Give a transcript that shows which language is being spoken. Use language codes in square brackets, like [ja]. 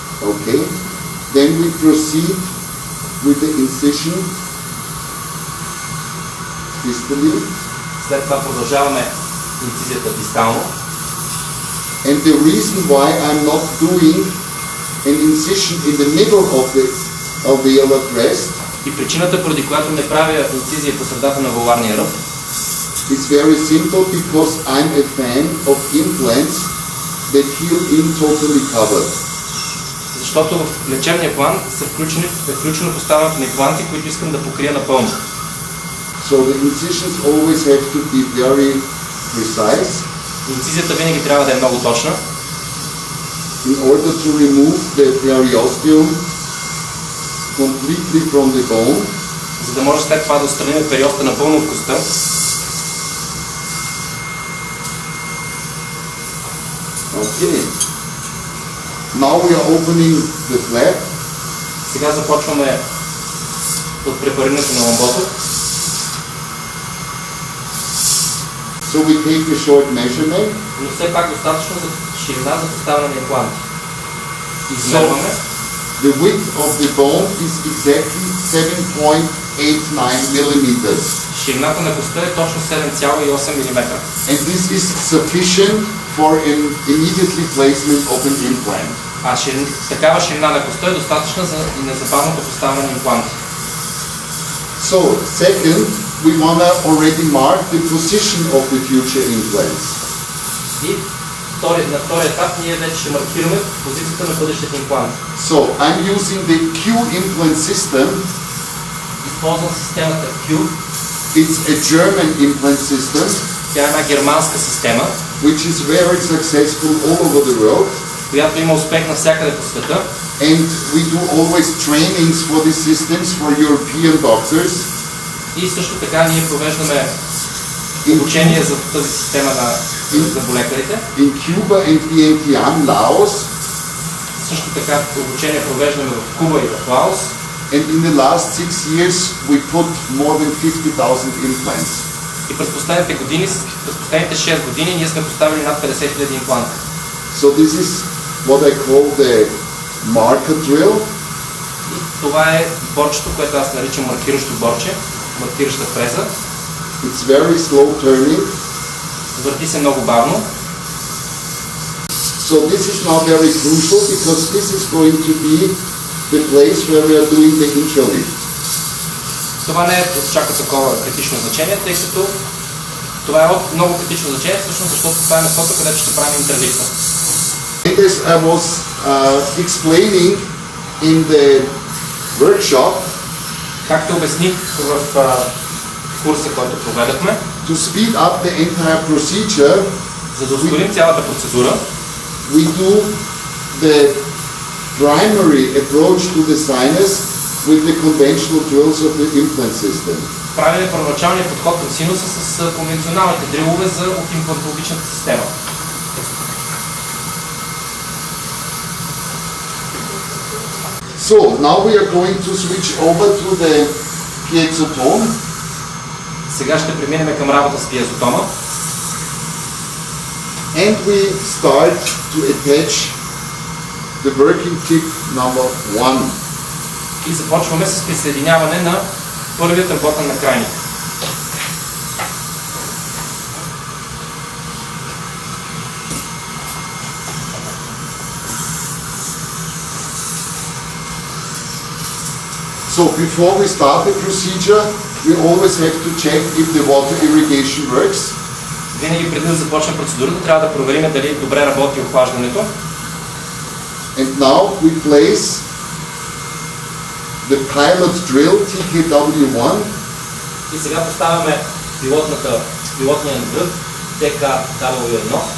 [en] Okay, then we proceed with the incision distally. [bg] След това продължаваме инцизията дистално. [en] And the reason why I'm not doing an incision in the middle of the alveolar crest. [bg] И причината, поради която не правя инцизия по средата на алвеоларния ръб. [en] It's very simple because I'm a fan of implants that heal in totally covered. [bg] Защото в лечебния план е включено поставянето на импланти, които искам да покрия напълно. [en] So the incisions always have to be very precise. [bg] Инцизията винаги трябва да е много точна. [en] In order to remove the periosteum completely from the bone. [bg] За да може след това да отстраним периоста напълно от костта. [en] Okay. Now we are opening the flap. [bg] Сега започваме от препарирането на ламбото. [en] So we take a short measurement. [bg] Но все пак достатъчно за ширина за поставяне на импланта. Измерваме. [en] So the width of the bone is exactly 7.89 mm. [bg] Ширината на костта е точно 7,8 мм. [en] And this is sufficient for an immediately placement of an implant. [bg] А такава ширина на костта е достатъчна за незабавното поставяне на имплант. [en] So, second, we wanna already mark the position of the future implants. [bg] И на втори етап ние вече ще маркираме позицията на бъдещите импланти. [en] So, I'm using the Q implant system. [bg] Използвам системата Q. [en] It's a German implant system. [bg] Тя е една германска система. [en] Which is very successful all over the world. [bg] Която има успех навсякъде по света. [en] And we do always trainings for these systems for European doctors. [bg] И също така ние провеждаме обучение за тази система на заболекарите. [en] In Cuba and Vientiane, Laos. [bg] Също така обучение провеждаме в Куба и в Лаос. [en] And in the last 6 years we put more than 50,000 implants. [bg] И през последните 6 години ние сме поставили над 50 000 импланта. [en] So this is what I call the marker drill. [bg] Това е борчето, което аз наричам маркиращо борче, маркираща фреза. [en] It's very slow turning. [bg] Върти се много бавно. [en] So this is not very crucial because this is going to be the place where we are doing the intralift. [bg] Това не е чака такова критично значение, тъй като това е много критично значение, всъщност защото това е местото, където ще правим интралифта. [en] It is, I was explaining in the workshop. [bg] Както обясних в курса, който проведохме. [en] To speed up the entire procedure. [bg] За да ускорим цялата процедура. [en] We do the primary approach to the sinus with the conventional drills of the implant system. [bg] Правим първоначалния подход към синуса с конвенционалните дрилове за имплантологичната система. [en] So, now we are going to switch over to the piezotome. [bg] Сега ще преминем към работа с пиезотома. [en] And we start to attach the working tip number one. [bg] И започваме с присъединяване на първият работен накрайник. [en] So before we start the procedure, we always have to check if the water irrigation works. [bg] Винаги преди да започнем процедурата, трябва да проверим дали добре работи охлаждането. [en] And now we place the pilot drill TKW-1. [bg] И сега поставяме пилотния дрил TKW-1.